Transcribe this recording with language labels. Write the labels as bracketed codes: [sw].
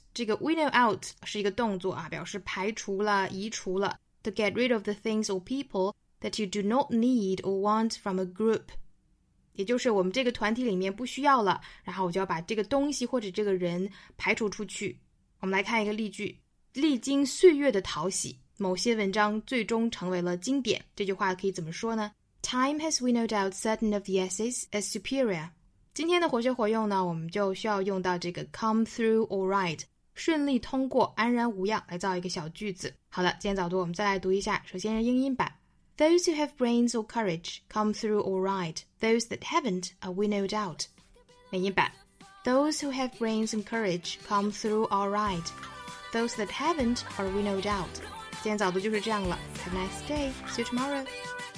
[zh] 这个 winnow out 是一个动作啊，表示排除了移除了。 [en] To get rid of the things or people that you do not need or want from a group. [zh] 也就是我们这个团体里面不需要了，然后我就要把这个东西或者这个人排除出去。我们来看一个例句，历经岁月的淘洗，某些文章最终成为了经典。这句话可以怎么说呢？ [en] Time has winnowed out certain of the essays as superior. [zh] 今天的活学活用呢，我们就需要用到这个 come through or write, 顺利通过，安然无恙，来造一个小句子。好了，今天早读我们再来读一下，首先是英音版。 [en] Those who have brains or courage come through all right. Those that haven't are winnowed out. [zh] 美音版 [en] Those who have brains and courage come through all right. Those that haven't are winnowed out. [zh] 今天早读就是这样了。 [en] Have a nice day. See you tomorrow.